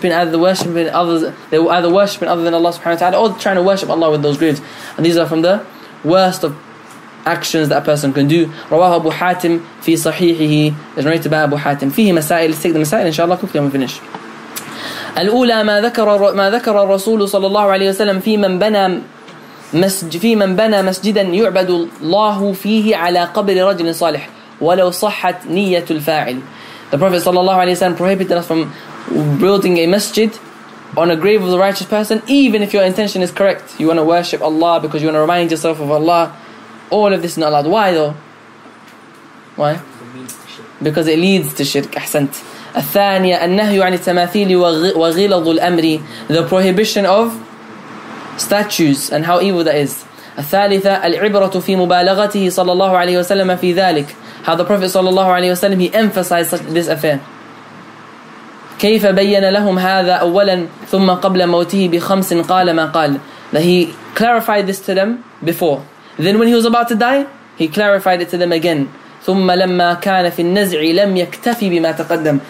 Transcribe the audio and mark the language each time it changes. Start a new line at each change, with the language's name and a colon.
English: Worshipping other than Allah subhanahu wa ta'ala, or trying to worship Allah with those graves. And these are from the worst of actions that a person can do.
Arabic: رواه أبو حاتم في صحيحه.
English: It's narrated by
Arabic: أبو حاتم. فيه مسائل.
English: Let's take the مسائل inshallah quickly and we finish.
Arabic: الأولى ما ذكر الرسول صلى الله عليه وسلم في من بنى مسجدا يعبد الله فيه على قبر رجل صالح ولو صحت نية الفاعل.
English: The Prophet صلى الله عليه وسلم prohibited us from building a masjid on a grave of the righteous person, even if your intention is correct. You want to worship Allah because you want to remind yourself of Allah. All of this is not allowed. Why though? Why? Because it leads to shirk. Ahsant.
Arabic: الثانيه النهي عن التماثيل وغلظ الامر.
English: The prohibition of statues and how evil that is.
Arabic: الثالثه العبره في مبالغته صلى الله عليه وسلم في ذلك.
English: How the Prophet صلى الله عليه وسلم he emphasized this affair.
Arabic: كيف بين لهم هذا أولا ثم قبل موته بخمس قال ما قال.
English: That he clarified this to them before. Then when he was about to die, he clarified it to them again.
Arabic: ثم لما كان في النزع لم يكتفي بما تقدم.